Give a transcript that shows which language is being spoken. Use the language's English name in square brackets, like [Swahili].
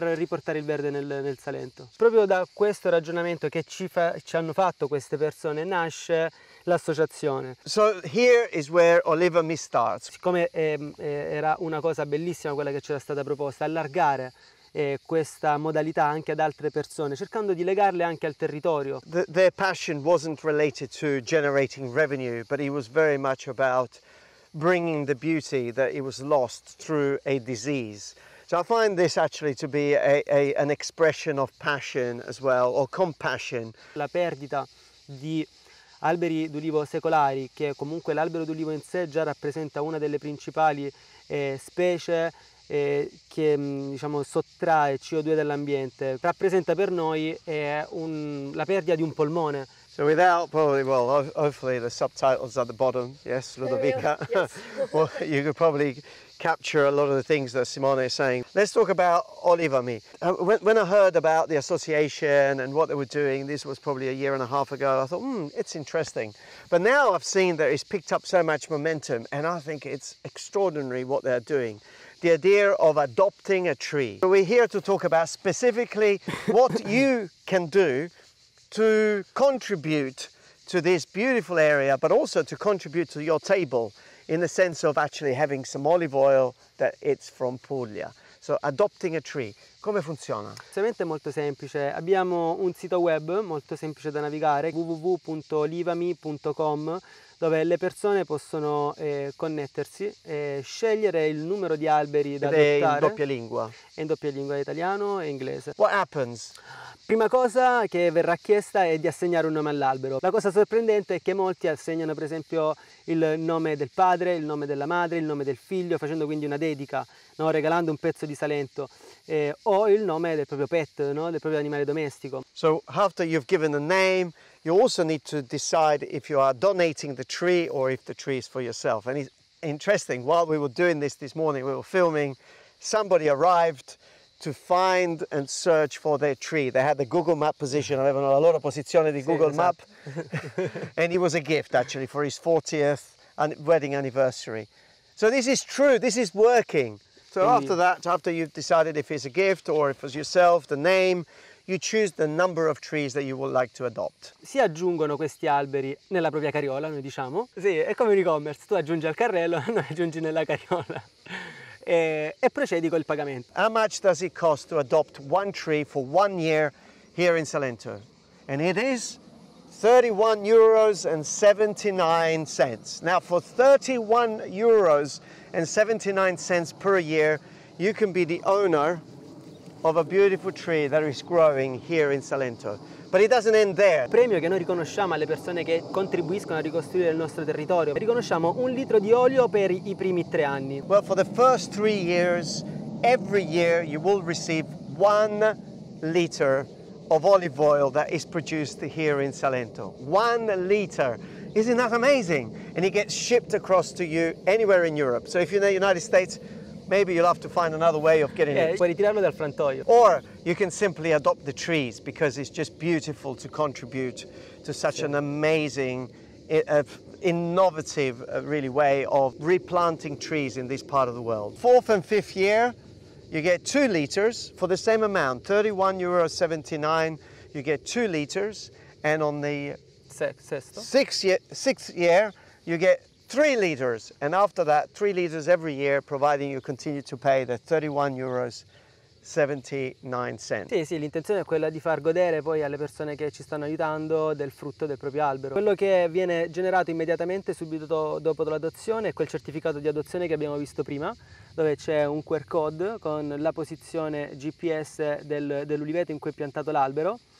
[Italian] Per riportare il verde nel Salento. Proprio da questo ragionamento che ci hanno fatto queste persone nasce l'associazione. [English] So here is where Olivami starts. [Italian] Siccome era una cosa bellissima quella che c'era stata proposta, allargare questa modalità anche ad altre persone, cercando di legarle anche al territorio. [English] Their passion wasn't related to generating revenue, but it was very much about bringing the beauty that it was lost through a disease. So I find this actually to be an expression of passion as well, or compassion. [Italian] La perdita di alberi d'ulivo secolari, che comunque l'albero d'ulivo in sé già rappresenta una delle principali specie che, diciamo, sottrae CO2 dall'ambiente, rappresenta per noi la perdita di un polmone. [English] So without, probably, well, hopefully the subtitles at the bottom, yes, Ludovica? Yes. Well, you could probably capture a lot of the things that Simone is saying. Let's talk about Olivami. When I heard about the association and what they were doing, this was probably a year and a half ago, I thought, it's interesting. But now I've seen that it's picked up so much momentum, and I think it's extraordinary what they're doing. The idea of adopting a tree. So we're here to talk about specifically what you can do to contribute to this beautiful area, but also to contribute to your table in the sense of actually having some olive oil that it's from Puglia. So adopting a tree, [Italian] come funziona? Ovviamente è molto semplice. Abbiamo un sito web molto semplice da navigare, www.olivami.com, dove le persone possono connettersi e scegliere il numero di alberi da adottare. Ed è in doppia lingua? È in doppia lingua, italiano e inglese. [English] What happens? [Italian] Prima cosa che verrà chiesta è di assegnare un nome all'albero. La cosa sorprendente è che molti assegnano, per esempio, il nome del padre, il nome della madre, il nome del figlio, facendo quindi una dedica, no? Regalando un pezzo di Salento, o il nome del proprio pet, no? Del proprio animale domestico. [English] So after you've given the name, you also need to decide if you are donating the tree or if the tree is for yourself. And it's interesting, while we were doing this morning, we were filming, somebody arrived to find and search for their tree. They had the Google Map position, [Italian] avevano la loro posizione di Google Map. [English] And it was a gift actually for his 40th wedding anniversary. So this is true, this is working. So after that, after you've decided if it's a gift or if it's yourself, the name, you choose the number of trees that you would like to adopt. [Italian] Si aggiungono questi alberi nella propria carriola, noi diciamo. Sì, è come un e-commerce, tu aggiungi al carrello, noi aggiungi nella carriola. E procedi col pagamento. [English] How much does it cost to adopt one tree for 1 year here in Salento? And it is €31.79. Now for €31.79 per year, you can be the owner of a beautiful tree that is growing here in Salento. But it doesn't end there. [Italian] Premio che noi riconosciamo alle persone che contribuiscono a ricostruire il nostro territorio. Riconosciamo un litro di olio per i primi 3 anni. [English] Well, for the first 3 years, every year you will receive 1 liter of olive oil that is produced here in Salento. 1 liter. Isn't that amazing? And it gets shipped across to you anywhere in Europe. So if you're in the United States, maybe you'll have to find another way of getting it. [Italian] Puoi ritirarlo dal frantoio. [English] Or you can simply adopt the trees because it's just beautiful to contribute to such an amazing, innovative, really way of replanting trees in this part of the world. Fourth and fifth year, you get 2 liters for the same amount, €31.79, you get 2 liters. And on the sixth year, you get 3 liters, and after that, 3 liters every year, providing you continue to pay the €31.79. [Italian] Sì, sì, l'intenzione è quella di far godere poi alle persone che ci stanno aiutando del frutto del proprio albero. Quello che viene generato immediatamente subito dopo l'adozione è quel certificato di adozione che abbiamo visto prima, dove c'è un QR code con la posizione GPS dell'uliveto in cui è piantato l'albero.